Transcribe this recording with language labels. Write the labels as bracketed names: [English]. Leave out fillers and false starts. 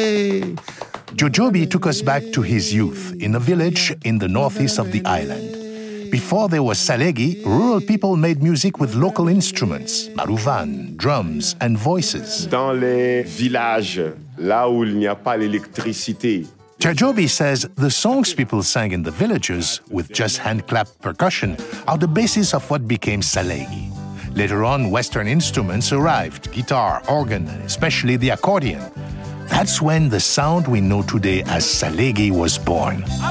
[English] Djodjobi took us back to his youth in a village in the northeast of the island. Before there was Salegi, rural people made music with local instruments, marouvan, drums, and voices. [French] Dans les villages, là où il n'y a pas l'électricité. [English] Djodjobi says the songs people sang in the villages, with just hand-clap percussion, are the basis of what became Salegi. Later on, Western instruments arrived, guitar, organ, especially the accordion. That's when the sound we know today as Salegi was born.